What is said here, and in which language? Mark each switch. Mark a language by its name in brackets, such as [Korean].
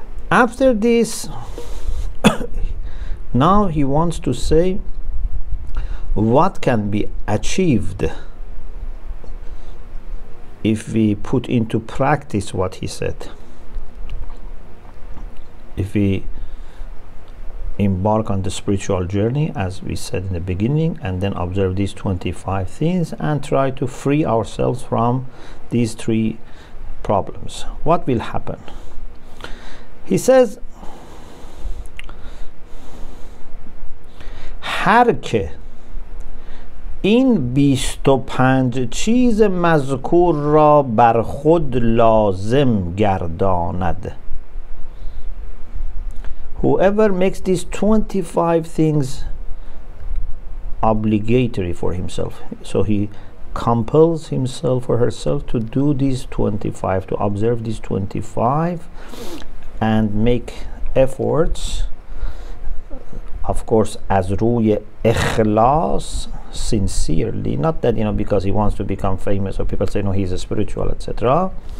[English] After this, now he wants to say what can be achieved if we put into practice what he said, if we embark on the spiritual journey, as we said in the beginning, and then observe these 25 things and try to free ourselves from these three problems, what will happen? He says, [Persian] هر که این 25 چیز مذکور را بر خود لازم گرداند. [English] Whoever makes these 25 things obligatory for himself, so he compels himself or herself to do these 25, to observe these 25 and make efforts, of course as [Persian] روی اخلاص, [English] sincerely, not that, you know, because he wants to become famous or people say no he's a spiritual, etc.